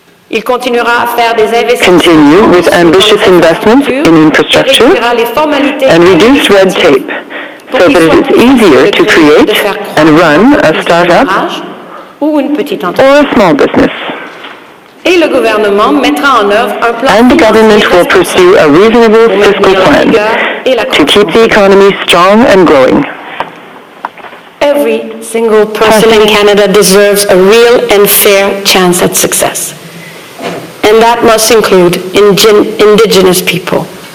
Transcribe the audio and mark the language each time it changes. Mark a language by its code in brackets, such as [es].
[fr] Il continuera à faire des investissements. [en] Continue with ambitious investments in infrastructure and reduce red tape so that it is easier to create and run a startup or a small business. [fr] Et le gouvernement mettra en œuvre un plan. [en] And the government will pursue a reasonable fiscal plan to keep the economy strong and growing. Every single person in Canada deserves a real and fair chance at success. And that must include Indigenous people.